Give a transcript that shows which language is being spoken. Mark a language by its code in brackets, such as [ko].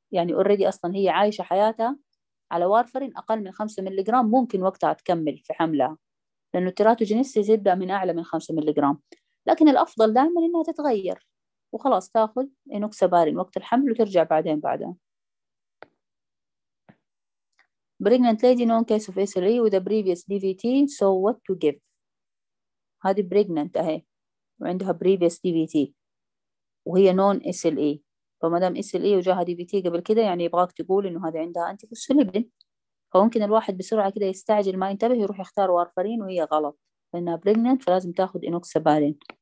[ar] يعني اوريدي اصلا هي عايشه حياتها على وارفرين اقل من 5 ملي جرام، ممكن وقتها تكمل في حملها لانه التراتوجينيسيس يبدا من اعلى من 5 ملي جرام. لكن الافضل دائما انها تتغير وخلاص تاخذ انوكسابارين وقت الحمل وترجع بعدين بعدها. [en] Pregnant lady known case of SLE with a previous DVT so what to give. [ar] هذه pregnant اهي وعندها previous DVT وهي known SLE، فما دام اس ال اي وجاها دي في تي قبل كده يعني يبغاك تقول انه هذا عندها انتي فوسفوليبين. فممكن الواحد بسرعه كده يستعجل ما ينتبه يروح يختار وارفارين وهي غلط لانها بريجننت، فلازم تاخذ انوكسابارين.